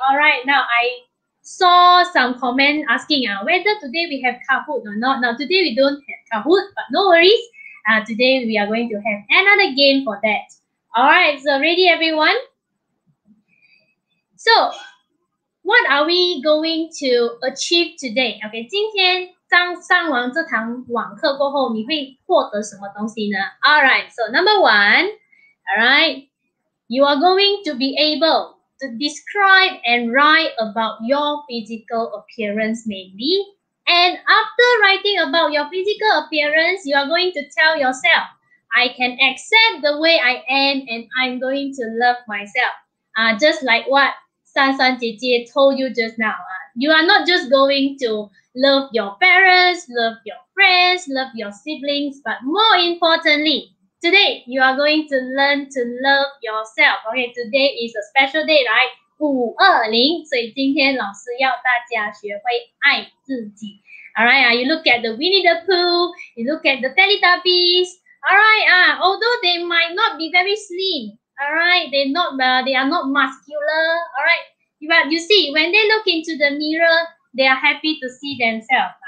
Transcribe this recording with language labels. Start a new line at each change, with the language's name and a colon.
English: All right, now I saw some comment asking whether today we have Kahoot or not. Now today we don't have Kahoot, but no worries. Today we are going to have another game for that. All right, so ready everyone? So what are we going to achieve today?
Chinese: Okay, 今天当上完这堂网课过后你会获得什么东西呢?
English: All right, so number one, all right. You are going to be able to describe and write about your physical appearance mainly. And after writing about your physical appearance, you are going to tell yourself, I can accept the way I am and I'm going to love myself. Just like what San San 姐姐 told you just now. You are not just going to love your parents, love your friends, love your siblings, but more importantly,Today, you are going to learn to love yourself. Okay, today is a special day, right?
Chinese: 520, 所以今天老师要大家学会爱自己。
English: All right, you look at the Winnie the Pooh, you look at the Teletubbies. All right, although they might not be very slim, all right, they are not muscular, all right. But you see, when they look into the mirror, they are happy to see themselves.